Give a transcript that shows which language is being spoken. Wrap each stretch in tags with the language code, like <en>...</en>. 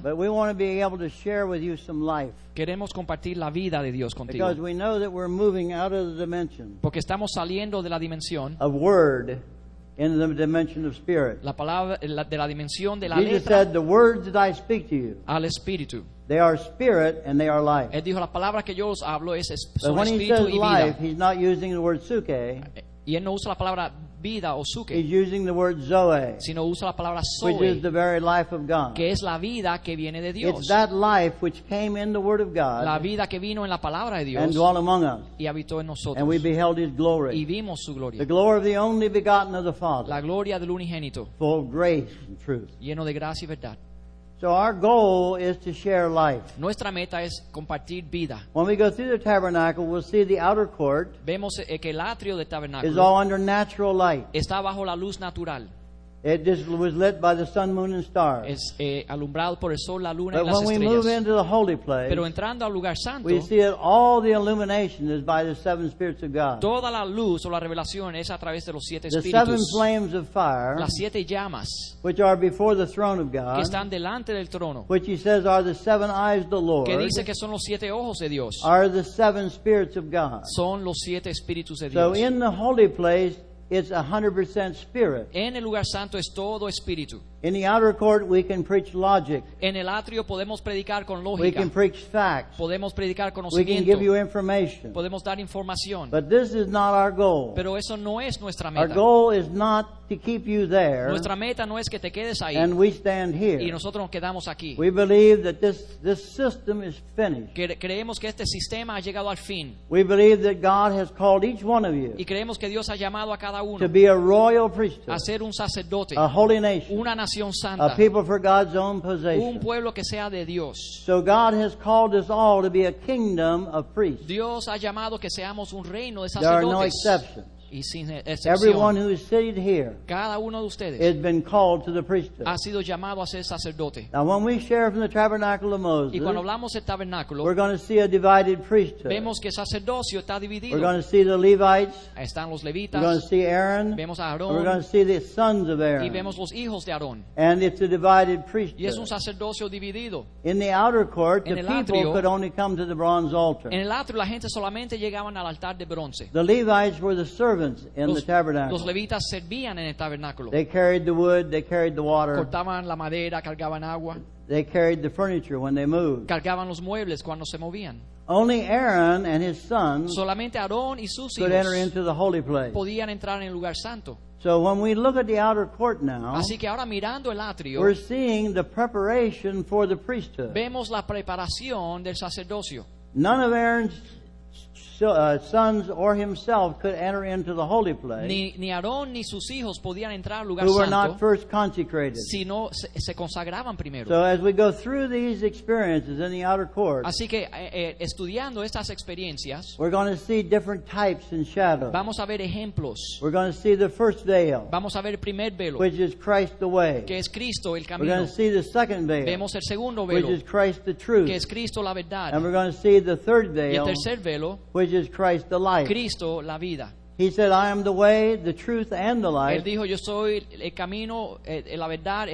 <en>but we want to be able to share with you some life.</en> <es>Queremos compartir la vida de Dios contigo.</es> <en>Because we know that we're moving out of the dimension.</en> <es>Porque estamos saliendo de la dimensión</es> <en>of word. In the dimension of spirit.</en> <es>La palabra, de la dimensión de la letra.</es> <en>Jesus said, "The words that I speak to you,</en> <es>al espíritu,</es> <en>they are spirit and they are life."</en> <es>Él dijo, la palabra que yo os hablo es espíritu y vida.</es> <en>But when he says life, he's not using the word psuche.</en> <es>Y él no usa la palabra vida o psuche.</es> <en>He's using the word zoe.</en> <es>Sino usa la palabra zoe,</es> <en>which is the very life of God.</en> <es>Que es la vida que viene de Dios.</es> <en>It's that life which came in the word of God.</en> <es>La vida que vino en la palabra de Dios.</es> <en>And dwelt among us.</en> <es>Y habitó en nosotros.</es> <en>And we beheld his glory.</en> <es>Y vimos su gloria.</es> <en>The glory of the only begotten of the Father.</en> <es>La gloria del unigénito.</es> <en>Full of grace and truth.</en> <es>Lleno de gracia y verdad.</es> <en>So our goal is to share life.</en> <es>Nuestra meta es compartir vida.</es> <en>When we go through the tabernacle, we'll see the outer court.</en> <es>Vemos que el atrio del tabernáculo</es> <en>is all under natural light.</en> <es>Está bajo la luz natural.</es> <en>It just was lit by the sun, moon, and stars.</en> <es>Es alumbrado por el sol, la luna, y las estrellas.</es> <en>But when we move into the holy place,</en> <es>pero entrando al lugar santo,</es> <en>we see that all the illumination is by the seven spirits of God.</en> <es>Toda la luz o la revelación es a través de los siete</es> <en>the</en> <es>espíritus.</es> <en>The seven flames of fire,</en> <es>las siete llamas,</es> <en>which are before the throne of God,</en> <es>que están delante del trono,</es> <en>which he says are the seven eyes of the Lord,</en> <es>que dice que son los siete ojos de Dios,</es> <en>are the seven spirits of God.</en> <es>Son los siete espíritus de Dios.</es> <en>So in the holy place, it's 100% spirit.</en> <es>En el lugar santo es todo espíritu.</es> <en>In the outer court, we can preach logic.</en> <es>En el atrio podemos predicar con lógica.</es> <en>We can preach facts.</en> <es>Podemos predicar conocimiento.</es> <en>We can give you information.</en> <es>Podemos dar información.</es> <en>But this is not our goal.</en> <es>Pero eso no es nuestra meta.</es> <en>Our goal is not to keep you there.</en> <es>Nuestra meta no es que te quedes ahí.</es> <en>And we stand here.</en> <es>Y nosotros nos quedamos aquí.</es> <en>We believe that this system is finished.</en> <es>Creemos que este sistema ha llegado al fin.</es> <en>We believe that God has called each one of you.</en> <es>Y creemos que Dios ha llamado a cada uno.</es> <en>To be a royal priesthood.</en> <es>A ser un sacerdote.</es> <en>A holy nation.</en> <es>Una nación santa.</es> <en>A people for God's own possession.</en> <es>Un pueblo que sea de Dios.</es> <en>So God has called us all to be a kingdom of priests.</en> <es>Dios ha llamado que seamos un reino de sacerdotes.</es> <en>There are no exceptions.</en> <es>Y sin excepción,</es> <en>everyone who is seated here,</en> <es>cada uno de ustedes,</es> <en>has been called to the priesthood.</en> <es>Ha sido llamado a ser sacerdote.</es> <en>Now, when we share from the tabernacle of Moses,</en> <es>y cuando hablamos del tabernáculo,</es> <en>we're going to see a divided priesthood.</en> <es>Vemos que el sacerdocio está dividido.</es> <en>We're going to see the Levites.</en> <es>Están los levitas.</es> <en>We're going to see Aaron.</en> <es>Vemos a Aarón.</es> <en>We're going to see the sons of Aaron.</en> <es>Y vemos los hijos de Aarón.</es> <en>And it's a divided priesthood.</en> <es>Y es un sacerdocio dividido.</es> <en>In the outer court,</en> <es>en</es> <en>the people</en> <es>atrio,</es> <en>could only come to the bronze altar.</en> <es>En el atrio, la gente solamente llegaban al altar de bronce.</es> <en>The Levites were the servants. In the tabernacle.</en> <es>Los levitas servían en el tabernáculo.</es> <en>They carried the wood, they carried the water.</en> <es>Cortaban la madera, cargaban agua.</es> <en>They carried the furniture when they moved.</en> <es>Cargaban los muebles cuando se movían.</es> <en>Only Aaron and his sons,</en> <es>solamente Aarón y sus hijos,</es> <en>could enter into the holy place.</en> <es>Podían entrar en el lugar santo.</es> <en>So when we look at the outer court now,</en> <es>así que ahora mirando el atrio,</es> <en>we're seeing the preparation for the priesthood.</en> <es>Vemos la preparación del sacerdocio.</es> <en>None of Aaron's sons or himself could enter into the holy place.</en> <es>Ni Aarón ni sus hijos podían entrar al lugar santo.</es> <en>Who were not first consecrated.</en> <es>Si no se consagraban primero.</es> <en>So as we go through these experiences in the outer court.</en> <es>Así que estudiando estas experiencias.</es> <en>We're going to see different types and shadows.</en> <es>Vamos a ver ejemplos.</es> <en>We're going to see the first veil.</en> <es>Vamos a ver el primer velo.</es> <en>Which is Christ the way.</en> <es>Que es Cristo el camino.</es> <en>We're going to see the second veil.</en> <es>Vemos el segundo velo.</es> <en>Which is Christ the truth.</en> <es>Que es Cristo la verdad.</es> <en>And we're going to see the third veil.</en> <es>Y el tercer velo.</es> <en>Which is Christ the life.</en> <es>Cristo, la vida.</es> <en>He said, I am the way, the truth, and the life.</en> <es>Él dijo, yo soy el camino, la verdad, el</es>